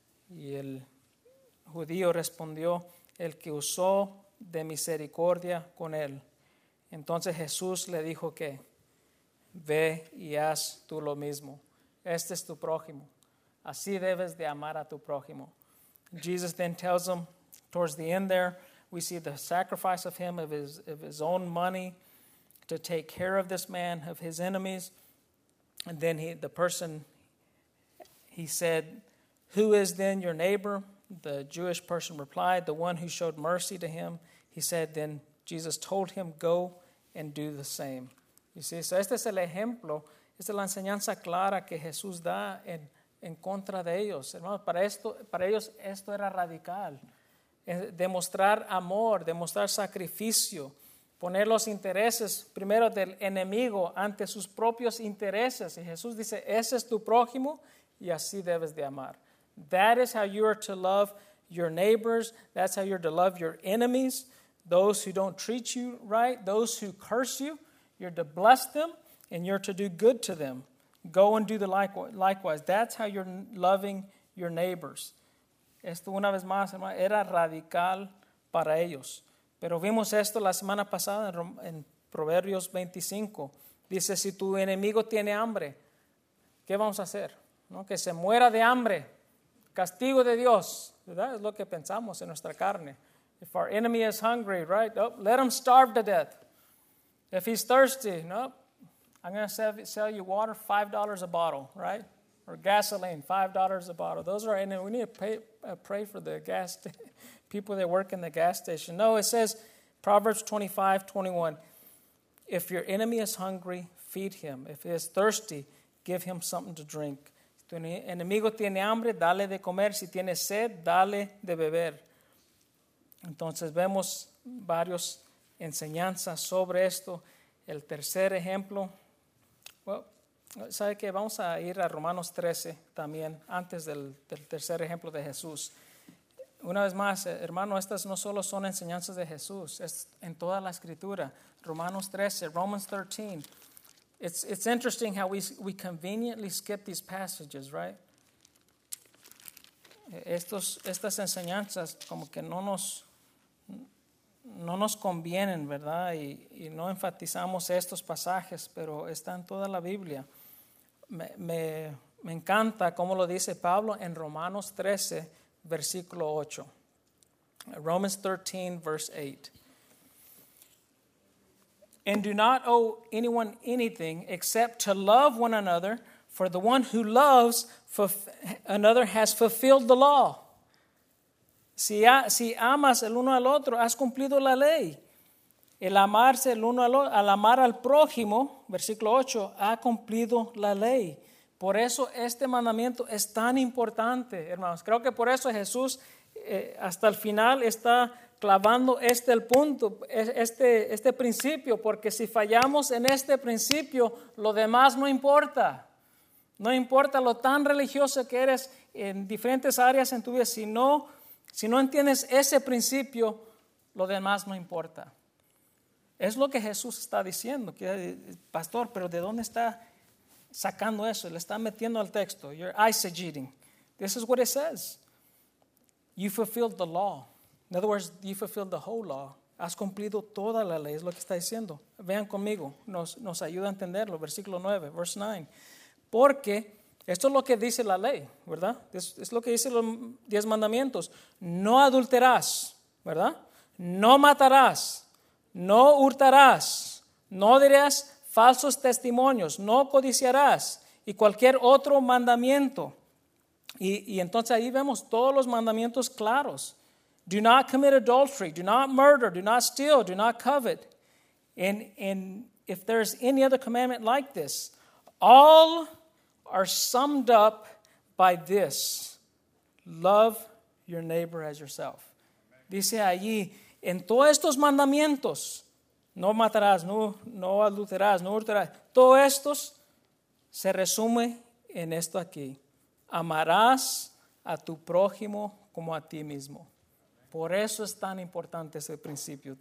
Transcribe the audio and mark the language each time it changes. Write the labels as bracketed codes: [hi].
[es] Y el judío respondió, el que usó de misericordia con él. Entonces Jesús le dijo que, ve y haz tú lo mismo. Este es tu prójimo. Así debes de amar a tu prójimo. [en] Jesus then tells him, towards the end there, we see the sacrifice of him, of his own money, to take care of this man, of his enemies. And then he said, who is then your neighbor? The Jewish person replied, the one who showed mercy to him. He said, then Jesus told him, go and do the same. You see, so [es] este es el ejemplo, esta es la enseñanza clara que Jesús da en contra de ellos. Hermanos, para ellos esto era radical. Demostrar amor, demostrar sacrificio, poner los intereses primero del enemigo ante sus propios intereses. Y Jesús dice, ese es tu prójimo y así debes de amar. [en] That is how you are to love your neighbors. That's how you're to love your enemies, those who don't treat you right, those who curse you. You're to bless them, and you're to do good to them. Go and do the likewise. That's how you're loving your neighbors. [es] Esto, una vez más, hermano, era radical para ellos. Pero vimos esto la semana pasada en Proverbios 25. Dice, si tu enemigo tiene hambre, ¿qué vamos a hacer? ¿No? Que se muera de hambre. Castigo de Dios, ¿verdad? Es lo que pensamos en nuestra carne. [en] If our enemy is hungry, right? Oh, let him starve to death. If he's thirsty, nope. I'm going to sell you water, $5 a bottle, right? Or gasoline, $5 a bottle. Those are, and we need to pray for the gas, people that work in the gas station. No, it says, Proverbs 25:21. If your enemy is hungry, feed him. If he is thirsty, give him something to drink. [es] Tu enemigo tiene hambre, dale de comer. Si tiene sed, dale de beber. Entonces vemos varias enseñanzas sobre esto. El tercer ejemplo. [en] Well, [es] ¿sabe qué? Vamos a ir a Romanos 13 también, antes del tercer ejemplo de Jesús. Una vez más, hermano, estas no solo son enseñanzas de Jesús. Es en toda la Escritura. Romanos 13, Romans 13. [en] It's interesting how we conveniently skip these passages, right? [es] Estas enseñanzas como que no nos convienen, ¿verdad? Y no enfatizamos estos pasajes, pero están en toda la Biblia. Me encanta cómo lo dice Pablo en Romanos 13, versículo 8. [en] Romans 13, verse 8. And do not owe anyone anything except to love one another, for the one who loves another has fulfilled the law. [es] Si amas el uno al otro, has cumplido la ley. El amarse el uno al otro, al amar al prójimo, versículo 8, ha cumplido la ley. Por eso este mandamiento es tan importante, hermanos. Creo que por eso Jesús hasta el final está clavando este el punto, este principio, porque si fallamos en este principio, lo demás no importa. No importa lo tan religioso que eres en diferentes áreas en tu vida. Si no entiendes ese principio, lo demás no importa. Es lo que Jesús está diciendo. Pastor, ¿pero de dónde está sacando eso? Le está metiendo al texto. [en] You're eisegeting. This is what it says. You fulfilled the law. In other words, you fulfilled the whole law. [es] has cumplido toda la ley, es lo que está diciendo. Vean conmigo, nos ayuda a entenderlo, versículo 9, [en] verse 9. [es] Porque esto es lo que dice la ley, ¿verdad? Es lo que dice los 10 mandamientos. No adulterás, ¿verdad? No matarás, no hurtarás, no dirás falsos testimonios, no codiciarás y cualquier otro mandamiento. Y entonces ahí vemos todos los mandamientos claros. [en] Do not commit adultery, do not murder, do not steal, do not covet. And if there's any other commandment like this, all are summed up by this. Love your neighbor as yourself. [es] Dice allí, en todos estos mandamientos, no matarás, no adulterarás, no hurtarás. Todos estos se resume en esto aquí. Amarás a tu prójimo como a ti mismo. Por eso es tan importante ese principio.